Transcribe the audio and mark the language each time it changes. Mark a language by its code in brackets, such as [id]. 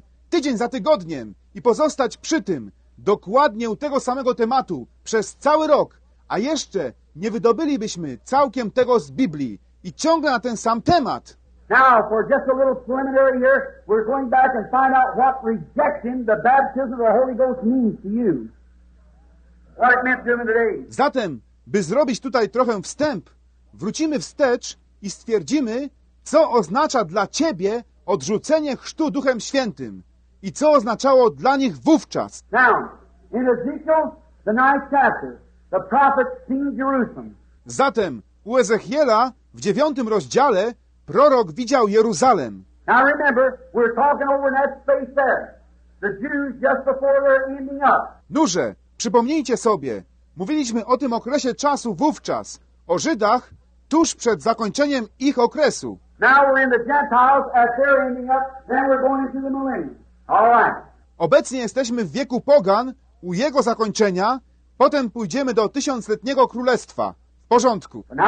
[pl] Tydzień za tygodniem. I pozostać przy tym. Dokładnie u tego samego tematu przez cały rok, a jeszcze nie wydobylibyśmy całkiem tego z Biblii i ciągle na ten sam temat. [en] Now, for just a little preliminary here, we're going back and find out what rejecting the baptism of the Holy Ghost means to you. What it meant to him today. [pl] Zatem, by zrobić tutaj trochę wstęp, wrócimy wstecz i stwierdzimy, co oznacza dla ciebie odrzucenie chrztu Duchem Świętym. I co oznaczało dla nich wówczas? [en] Now, in Ezekiel, the ninth chapter, the prophet sees Jerusalem. [pl] Zatem u Ezechiela w 9 rozdziale prorok widział Jeruzalem. [en] Now remember, we're talking over that space there. The Jews just before they're ending up. [pl] Nuże, przypomnijcie sobie, mówiliśmy o tym okresie czasu wówczas, o Żydach tuż przed zakończeniem ich okresu. [en] Now we're in the Gentiles as they're ending up, then we're going into the millennium. All right. [pl] Obecnie jesteśmy w wieku pogan, u jego zakończenia, potem pójdziemy do tysiącletniego królestwa. W porządku.